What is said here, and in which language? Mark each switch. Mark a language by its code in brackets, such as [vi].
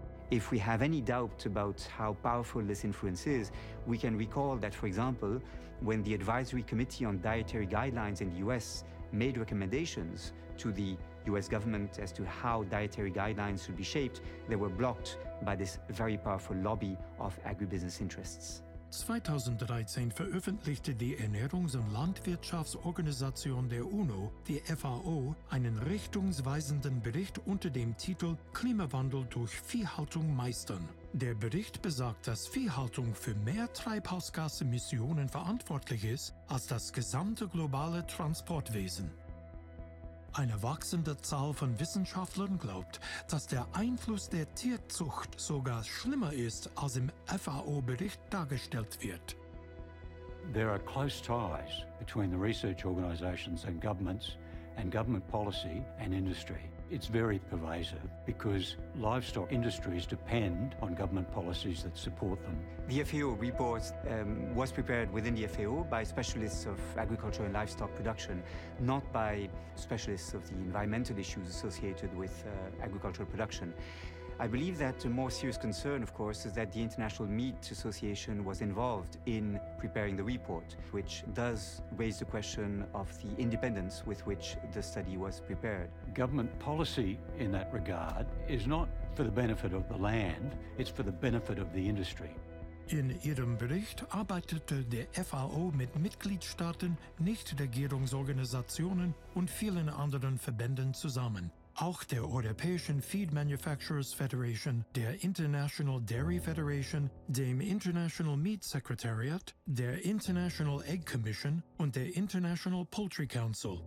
[en] If we have any doubt about how powerful this influence is, we can recall that, for example, when the Advisory Committee on Dietary Guidelines in the US made recommendations to the US government as to how dietary guidelines should be shaped, they were blocked by this very powerful lobby of agribusiness interests. [de] 2013 veröffentlichte die Ernährungs- und Landwirtschaftsorganisation der UNO, die FAO, einen richtungsweisenden Bericht unter dem Titel Klimawandel durch Viehhaltung meistern. Der Bericht besagt, dass Viehhaltung für mehr Treibhausgasemissionen verantwortlich ist als das gesamte globale Transportwesen. Eine wachsende Zahl von Wissenschaftlern glaubt, dass der Einfluss der Tierzucht sogar schlimmer ist, als im FAO-Bericht dargestellt wird. [en] There are close ties between the research organizations and governments and government policy and industry. It's very pervasive because livestock industries depend on government policies that support them. The FAO report was prepared within the FAO by specialists of agriculture and livestock production, not by specialists of the environmental issues associated with agricultural production. I believe that a more serious concern, of course, is that the International Meat Association was involved in preparing the report, which does raise the question of the independence with which the study was prepared. Government policy in that regard is not for the benefit of the land, it's for the benefit of the industry. [de] In ihrem Bericht arbeitete der FAO mit Mitgliedstaaten, Nichtregierungsorganisationen und vielen anderen Verbänden zusammen. Auch der Europäischen Feed Manufacturers Federation, der International Dairy Federation, dem International Meat Secretariat, der International Egg Commission und der International Poultry Council.